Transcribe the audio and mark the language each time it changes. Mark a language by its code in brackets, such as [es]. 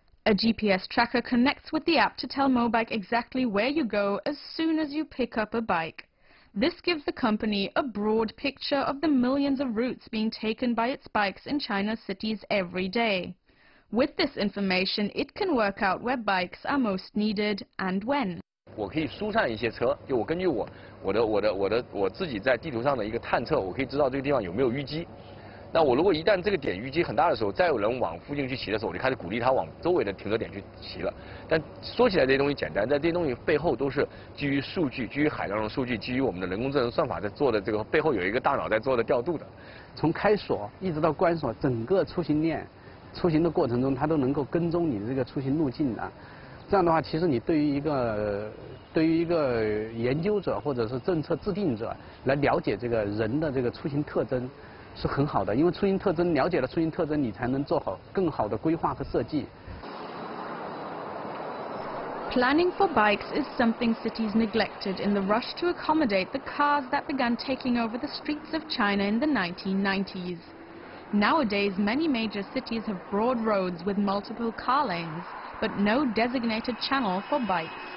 [en] A GPS tracker connects with the app to tell Mobike exactly where you go as soon as you pick up a bike. This gives the company a broad picture of the millions of routes being taken by its bikes in China's cities every day. With this information, it can work out where bikes are most needed and when. [zh] 我可以疏散一些车，就我根据我的我自己在地图上的一个探测，我可以知道这个地方有没有淤积。那我如果一旦这个点淤积很大的时候，再有人往附近去骑的时候，我就开始鼓励他往周围的停车点去骑了。但说起来这些东西简单，但这些东西背后都是基于数据，基于海量的数据，基于我们的人工智能算法在做的，这个背后有一个大脑在做的调度的。从开锁一直到关锁，整个出行链出行的过程中，它都能够跟踪你的这个出行路径的。这样的话，其实你对于一个研究者或者是政策制定者来了解这个人的这个出行特征是很好的，因为出行特征了解了，出行特征你才能做好更好的规划和设计。 [en] Planning for bikes is something cities neglected in the rush to accommodate the cars that began taking over the streets of China in the 1990s. Nowadays, many major cities have broad roads with multiple car lanes, but no designated channel for bikes.